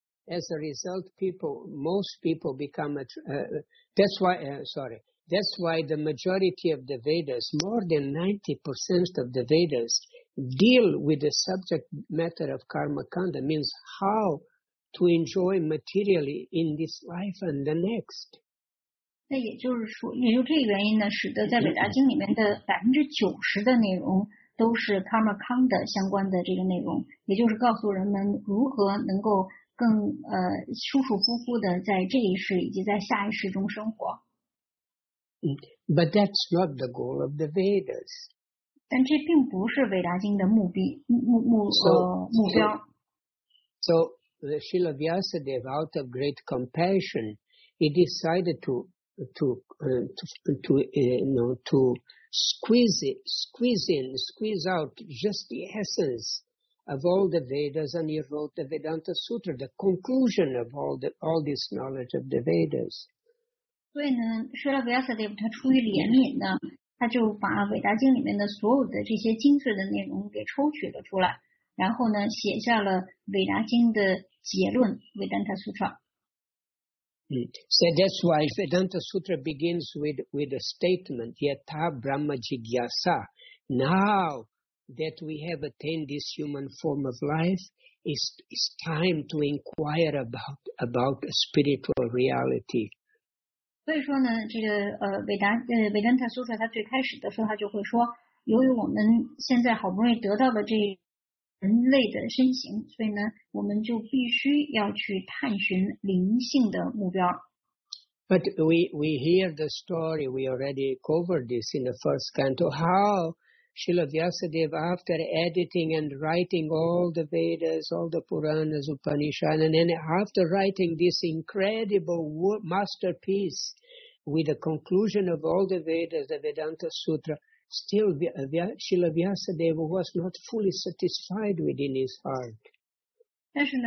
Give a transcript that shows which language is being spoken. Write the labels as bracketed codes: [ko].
[en] As a result, most people become that's why sorry, that's why the majority of the Vedas, more than 90% of the Vedas, deal with the subject matter of karmakanda, means how to enjoy materially in this life and the next. [zh] 那也就是说，也就这个原因呢，使得在伟达经里面的90%的内容都是 Karmakanda 相关的这个内容，也就是告诉人们如何能够更舒舒服服的在这一世以及在下一世中生活。 [en] But that's not the goal of the Vedas. [zh] 但这并不是伟达经的目的目目 [en] So, [zh] 呃目标。 [en] Srila Vyasadeva, out of great compassion, he decided to squeeze out just the essence of all the Vedas, and he wrote the Vedanta Sutra, the conclusion of all this knowledge of the Vedas. [zh] 所以呢，舍勒维亚斯蒂夫他出于怜悯呢，他就把《伟达经》里面的所有的这些精髓的内容给抽取了出来，然后呢，写下了《伟达经》的结论《维达塔苏特》。 [en] So that's why Vedanta Sutra begins with a statement, Yatha Brahma Jigyasa. Now that we have attained this human form of life, it's time to inquire about a spiritual reality. [zh] 所以说呢，这个维达塔苏萨他最开始的说话就会说。由于我们现在好不容易得到了这人类的身形，所以呢，我们就必须要去探寻灵性的目标。But [en] we hear the story. We already covered this in the first canto. How Srila Vyasadeva, after editing and writing all the Vedas, all the Puranas, Upanishads, and then after writing this incredible masterpiece with the conclusion of all the Vedas, the Vedanta Sutra, still, Srila Vyasadeva was not fully satisfied within his heart.